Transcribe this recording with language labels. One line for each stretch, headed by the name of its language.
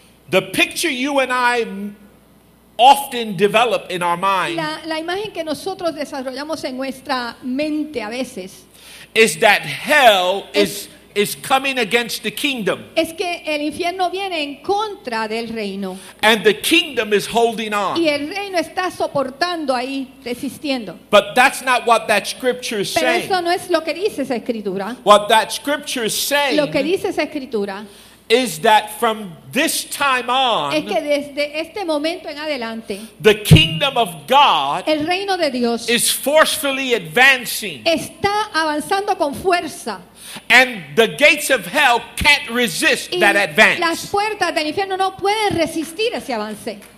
English: The picture you and I often develop in our mind.
Spanish: La imagen que nosotros desarrollamos en nuestra mente a veces.
English: Is that hell is coming against the kingdom.
Spanish: Es que el infierno viene en contra del reino.
English: And the kingdom is holding on.
Spanish: Y el reino está soportando ahí, resistiendo.
English: But that's not what that scripture is
Spanish: Pero
English: saying.
Spanish: Pero eso no es lo que dice esa escritura.
English: What that scripture is saying.
Spanish: Lo que dice esa escritura.
English: Is that from this time on.
Spanish: Es que desde este momento en adelante.
English: The kingdom of God.
Spanish: El reino de Dios.
English: Is forcefully advancing.
Spanish: Está avanzando con fuerza.
English: And the gates of hell can't resist that advance.
Spanish: Las puertas del infierno no pueden resistir ese avance.